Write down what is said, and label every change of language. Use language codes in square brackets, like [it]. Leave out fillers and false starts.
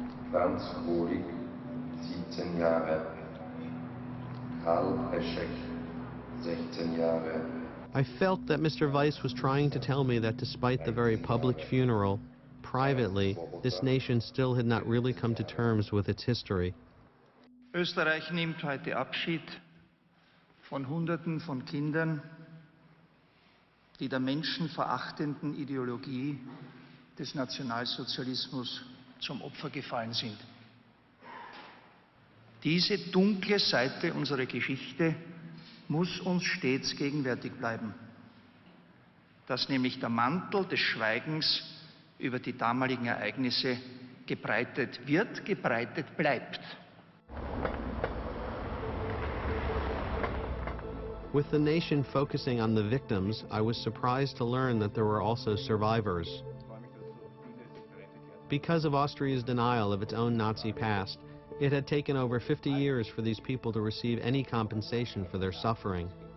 [de] Franz Kohlig, 17 Jahre. Karl Peschek, 16 Jahre. [en] I felt that Mr. Weiss was trying to tell me that despite the very public funeral, privately, this nation still had not really come to terms with its history. [de] Österreich nimmt heute Abschied von Hunderten von Kindern, die der menschenverachtenden Ideologie des Nationalsozialismus zum Opfer gefallen sind. Diese dunkle Seite unserer Geschichte muss uns stets gegenwärtig bleiben, dass nämlich der Mantel des Schweigens über die damaligen Ereignisse gebreitet wird, gebreitet bleibt. [en] With the nation focusing on the victims, I was surprised to learn that there were also survivors. Because of Austria's denial of its own Nazi past, it had taken over 50 years for these people to receive any compensation for their suffering.